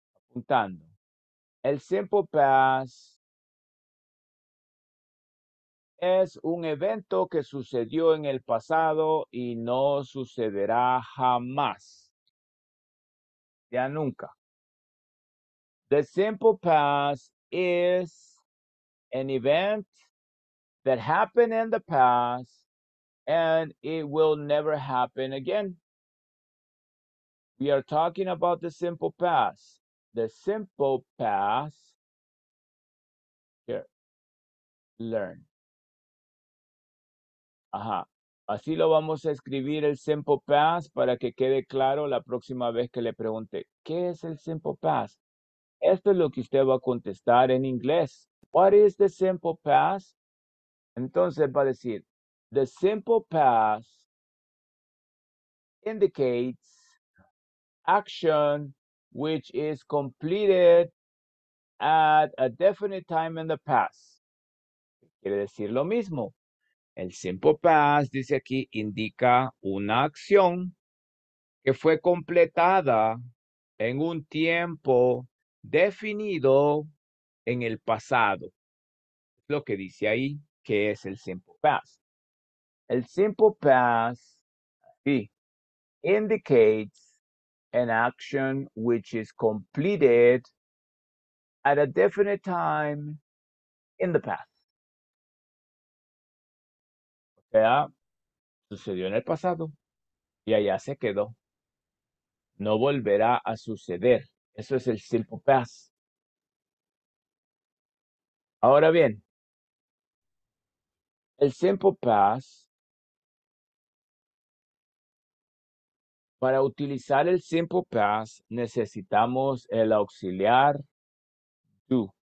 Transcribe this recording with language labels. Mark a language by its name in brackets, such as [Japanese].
[Spanish] Apuntando. El simple past es un evento que sucedió en el pasado y no sucederá jamás. Ya nunca. [English] The simple past is an event that happened in the past and it will never happen again. We are talking about the simple past. The simple past, here, learn. [Spanish] Ajá, así lo vamos a escribir el simple past para que quede claro la próxima vez que le pregunte, ¿qué es el simple past? Esto es lo que usted va a contestar en inglés. [English] What is the simple past? [Spanish] Entonces va a decir, [English] the simple past indicates action which is completed at a definite time in the past. [Spanish] Quiere decir lo mismo. El simple past, dice aquí, indica una acción que fue completada en un tiempo definido en el pasado. Lo que dice ahí, que es el simple past. El simple past, sí, [English] indicates an action which is completed at a definite time in the past. [Spanish] O sea, sucedió en el pasado y allá se quedó. No volverá a suceder. Eso es el simple past. Ahora bien, el simple past, para utilizar el simple past necesitamos el auxiliar do.